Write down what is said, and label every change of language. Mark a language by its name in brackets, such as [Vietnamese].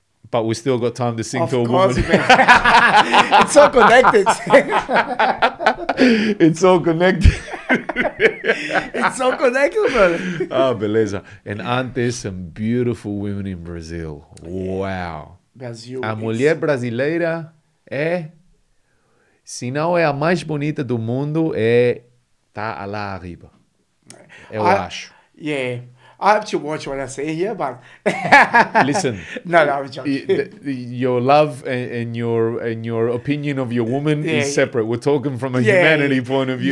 [English] But we still got time to sing to a woman. Man. It's all connected. It's all connected. It's all connected, man. [Portuguese] Oh, beleza. [English] And aren't there some beautiful women in Brazil? Wow. [Portuguese] Brasil. A mulher brasileira é, se não é a mais bonita do mundo, é, tá lá arriba. Eu acho. [English] Yeah. I have to watch what I say here, but listen. No, I'm joking. Your love and your opinion of your woman is separate. We're talking from a humanity point of view.